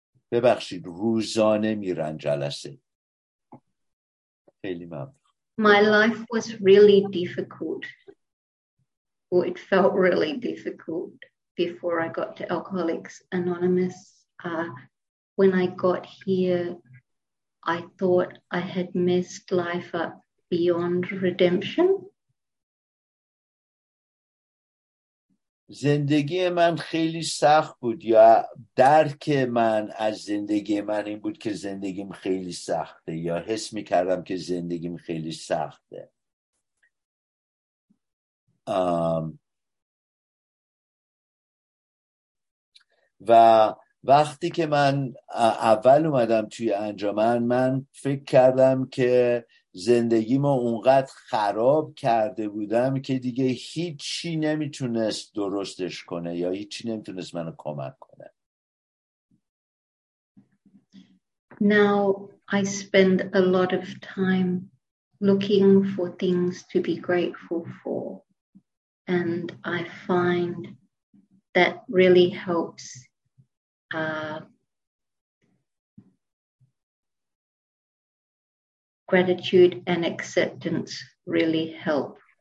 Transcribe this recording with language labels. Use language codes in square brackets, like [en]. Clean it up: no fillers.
[fa] ببخشید، روزانه میرن جلسه. خیلی ممنون. [en] My life was really difficult, or it felt really difficult before I got to Alcoholics Anonymous. When I got here, I thought I had messed life up beyond redemption. [fa] زندگی من خیلی سخت بود، یا درک من از زندگی من این بود که زندگیم خیلی سخته، یا حس می کردم که زندگیم خیلی سخته. و وقتی که من اول اومدم توی انجمن، من فکر کردم که زندگیمو اونقدر خراب کرده بودم که دیگه هیچی نمیتونست درستش کنه یا هیچی نمیتونست منو کمک کنه. [en] Now I spend a lot of time looking for things to be grateful for and I find that really helps gratitude and acceptance really help